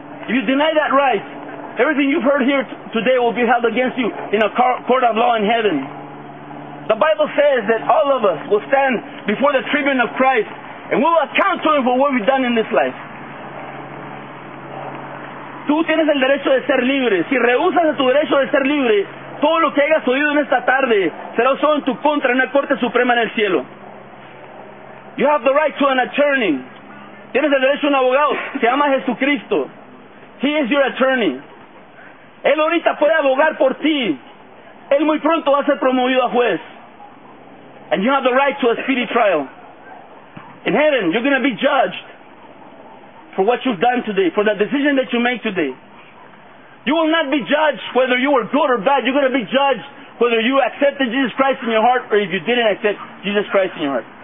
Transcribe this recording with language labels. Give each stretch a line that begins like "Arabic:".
English: If you deny that right, everything you've heard here today will be held against you in a court of law in heaven. The Bible says that all of us will stand before the tribune of Christ and we'll account to Him for what we've done in this life.
Spanish: Tú tienes el derecho de ser libre. Si rehusas a tu derecho de ser libre, todo lo que hayas oído en esta tarde será usado en tu contra en una corte suprema en el cielo.
English: You have the right to an attorney.
Spanish: Tienes el derecho a un abogado. Se llama Jesucristo.
English: He is your attorney.
Spanish: Él ahorita puede abogar por ti. Él muy pronto va a ser promovido a juez.
English: And you have the right to a speedy trial. In heaven, you're going to be judged for what you've done today, for the decision that you made today. You will not be judged whether you were good or bad. You're going to be judged whether you accepted Jesus Christ in your heart or if you didn't accept Jesus Christ in your heart.